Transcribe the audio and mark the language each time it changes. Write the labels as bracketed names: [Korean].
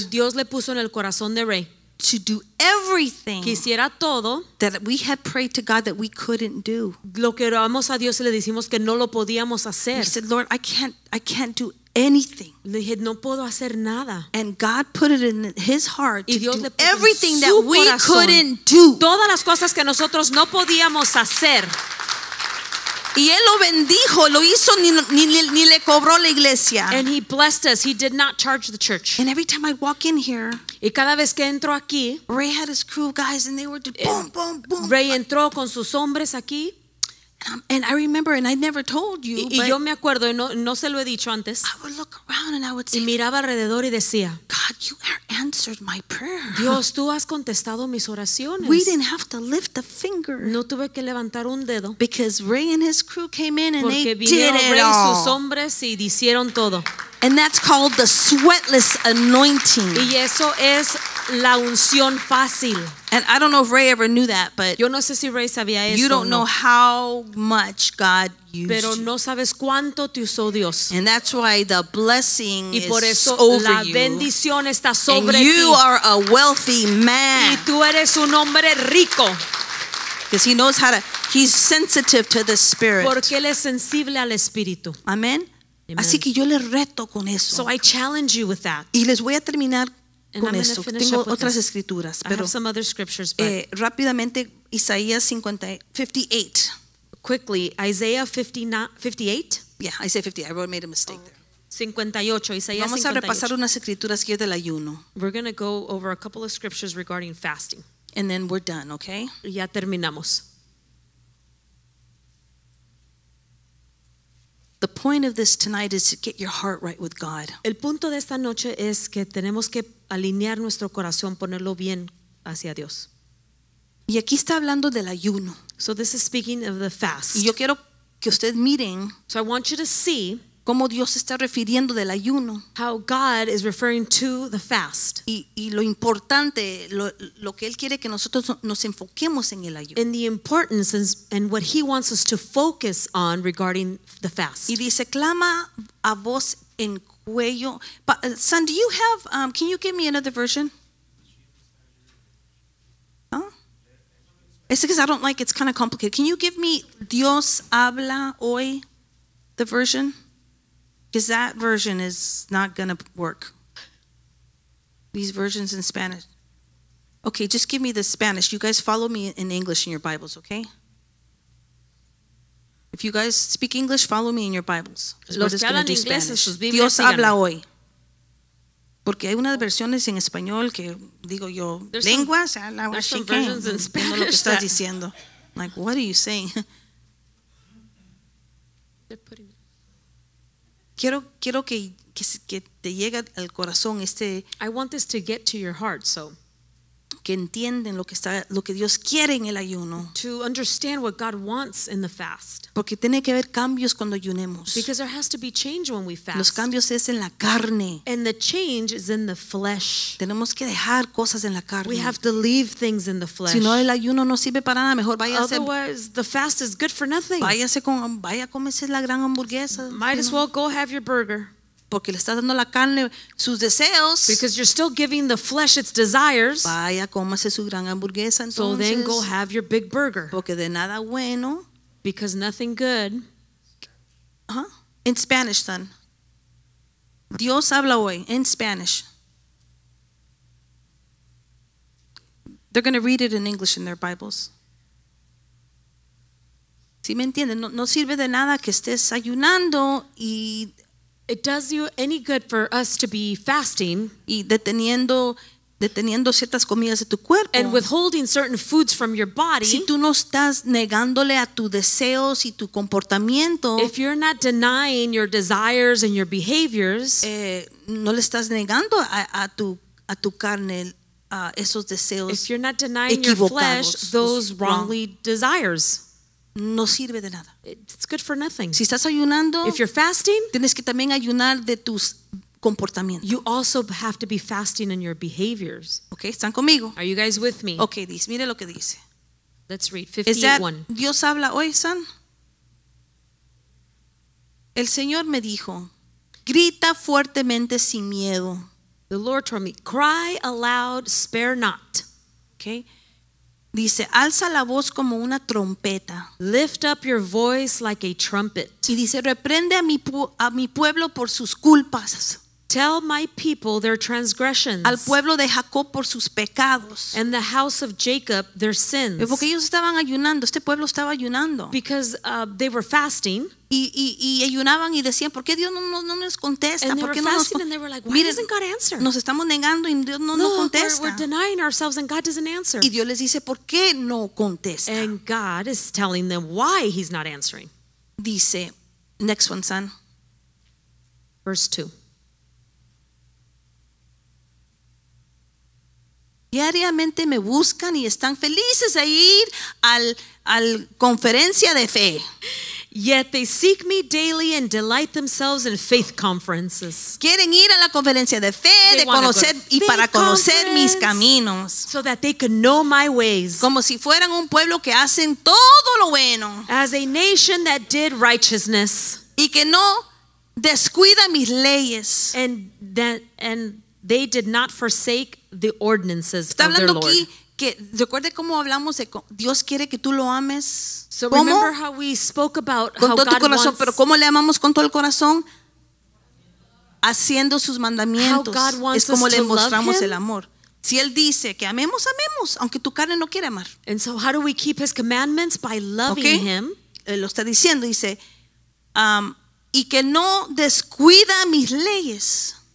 [Spanish] Dios le puso en el corazón de Ray. [English] To do everything [Spanish] quisiera todo [English] that we had prayed to God that we couldn't do. [Spanish] Lo que oramos a Dios y le decimos que no lo podíamos hacer. [English] He said, Lord, I can't do anything. [Spanish] Le dije, no puedo hacer nada. [English] And God put it in His heart [Spanish] y Dios [English] to [Spanish] le [English] do everything [Spanish] en su corazón, [English] that we couldn't do. [Spanish] Todas las cosas que nosotros no podíamos hacer. Y él lo bendijo, lo hizo ni le cobró la iglesia. [English] And he blessed us. He did not charge the church. And every time I walk in here, [Spanish] y cada vez que entro aquí, [English] Ray had his crew of guys and they were just boom, boom, boom. [Spanish] Ray entró con sus hombres aquí. [English] And I remember, and I never told you. [Spanish] Y yo me acuerdo, no se lo he dicho antes. [English] I would look around and I would say, [Spanish] y miraba alrededor y decía, [English] God, you have answered my prayer. [Spanish] Dios, tú has contestado mis oraciones. [English] We didn't have to lift a finger. [Spanish] No tuve que levantar un dedo. [English] Because Ray and his crew came in and [Spanish] porque [English] they did it all. [Spanish] Porque vinieron Ray y sus hombres y hicieron todo. [English] And that's called the sweatless anointing. [Spanish] Y eso es la unción fácil. [English] And I don't know if Ray ever knew that, but [Spanish] yo no sé si Ray sabía eso. [English] You don't know how much God used. [Spanish] Pero no sabes cuánto te usó Dios. [English] And that's why the blessing [Spanish] y por [English] is [Spanish] eso [English] over [Spanish] la bendición [English] you. [Spanish] Está sobre [English] and you Are a wealthy man. [Spanish] Y tú eres un hombre rico. [English] Because he knows how to, he's sensitive to the spirit. [Spanish] Porque él es sensible al espíritu. Amen. Amen. Así que yo les reto con eso. [English] So I challenge you with that. [Spanish] Y les voy a terminar [English] and [Spanish] con esto. Tengo otras escrituras, pero [English] some other scriptures, but [Spanish] rápidamente Isaías 58. [English] Quickly, Isaiah 58? Yeah, I said 58. I wrote made a mistake there. [Spanish] 58, Isaías vamos Vamos a repasar unas escrituras que es del ayuno. [English] We're going to go over a couple of scriptures regarding fasting. And then we're done, okay? [Spanish] Ya terminamos. [English] The point of this tonight is to get your heart right with God. [Spanish] El punto de esta noche es que tenemos que alinear nuestro corazón, ponerlo bien hacia Dios. Y aquí está hablando del ayuno. [English] So this is speaking of the fast. [Spanish] Y yo quiero que ustedes miren. [English] So I want you to see [Spanish] cómo Dios está refiriendo del ayuno. [English] How God is referring to the fast. [Spanish] Y lo importante, lo que él quiere que nosotros nos enfoquemos en el ayuno. [English] And the importance and what he wants us to focus on regarding the fast. [Spanish] Y dice, clama a voz en cuello. [English] But, son, do you have? Can you give me another version? Huh? It's because I don't like. It's kind of complicated. Can you give me Dios habla hoy, the version? Because that version is not going to work. These versions in Spanish. Okay, just give me the Spanish. You guys follow me in English in your Bibles, okay? If you guys speak English, follow me in your Bibles. [Spanish] Los que hablan inglés en sus Biblias. Dios habla hoy. Porque hay unas versiones en español que digo yo, [English] there's [Spanish] lenguas, [English] some, [Spanish] habla hoy. [English] There's some versions in Spanish. [Spanish] Lo que estás diciendo. [English] Like, what are you saying? [Spanish] Quiero que te llegue al corazón este. [English] I want this to get to your heart, so. [Spanish] Que entiendan lo que Dios quiere en el ayuno. [English] To understand what God wants in the fast. [Spanish] Porque tiene que haber cambios cuando ayunemos. [English] Because there has to be change when we fast. [Spanish] Los cambios es en la carne. [English] And the change is in the flesh. [Spanish] Tenemos que dejar cosas en la carne. [English] We have to leave things in the flesh. [Spanish] Si no el ayuno no sirve para nada, mejor váyase. [English] Otherwise, the fast is good for nothing. [Spanish] Váyase con vaya a comerse la gran hamburguesa. [English] Might as well go have your burger. [Spanish] Porque le está dando la carne sus deseos. [English] Because you're still giving the flesh its desires. [Spanish] Vaya, cómase su gran hamburguesa entonces. [English] So then go have your big burger. [Spanish] Porque de nada bueno. [English] Because nothing good. Huh? In Spanish, son. Dios habla hoy. In Spanish. They're going to read it in English in their Bibles. [Spanish] ¿Sí me entienden? No sirve de nada que estés ayunando y... [English] It does you any good for us to be fasting [Spanish] y deteniendo ciertas comidas de tu cuerpo [English] and withholding certain foods from your body [Spanish] si tú no estás negándole a tus deseos y tu comportamiento [English] if you're not denying your desires and your behaviors [Spanish] no le estás negando a tu carne esos deseos [English] if you're not denying your flesh those wrongly desires [Spanish] no sirve de nada. [English] It's good for nothing. [Spanish] Si estás ayunando, [English] if you're fasting, [Spanish] tienes que también ayunar de tus comportamientos. [English] You also have to be fasting in your behaviors. [Spanish] Okay, ¿están conmigo? [English] Are you guys with me? [Spanish] Okay, dice, mire lo que dice. [English] Let's read 58:1. [Spanish] Dios habla hoy, San. El Señor me dijo, grita fuertemente sin miedo. [English] The Lord told me, cry aloud, spare not. [Spanish] Okay. Dice, alza la voz como una trompeta. [English] Lift up your voice like a trumpet. [Spanish] Y dice, reprende a mi pueblo por sus culpas. [English] Tell my people their transgressions. [Spanish] Al pueblo de Jacob por sus pecados. [English] And the house of Jacob their sins. [Spanish] Porque ellos estaban ayunando, este pueblo estaba ayunando. [English] Because they were fasting. [Spanish] Y ayunaban y decían, ¿por qué Dios no nos contesta? ¿Por qué no nos miren, nos estamos negando y Dios no nos contesta. [English] We're denying ourselves and God doesn't answer. [Spanish] Y Dios les dice, ¿por qué no contesta? [English] And God is telling them why he's not answering. [Spanish] Dice, [English] next one, son. Verse 2. [Spanish] Diariamente me buscan y están felices de ir al conferencia de fe. [English] Yet they seek me daily and delight themselves in faith conferences. [Spanish] Quieren ir a la conferencia de fe, de conocer y para conocer mis caminos. [English] So that they can know my ways. [Spanish] Como si fueran un pueblo que hacen todo lo bueno. [English] As a nation that did righteousness. [Spanish] Y que no descuida mis leyes. [English] And they did not forsake the ordinances of their Lord. [Spanish] Aquí que recuerde cómo hablamos de Dios quiere que tú lo ames. [English] So [Spanish] ¿cómo? [English] Remember how we spoke about [Spanish] con [English] how [Spanish] todo [English] God [Spanish] tu corazón, [English] wants, [Spanish] pero cómo le amamos con todo el corazón haciendo sus mandamientos. [English] How God wants [Spanish] es como [English] us [Spanish] le [English] to [Spanish] mostramos [English] him? [Spanish] El amor. Si él dice que amemos, amemos, aunque tu carne no quiera amar. [English] And so how do we keep his commandments by loving okay. him? [Spanish] Lo está diciendo, dice, y que no descuida mis leyes.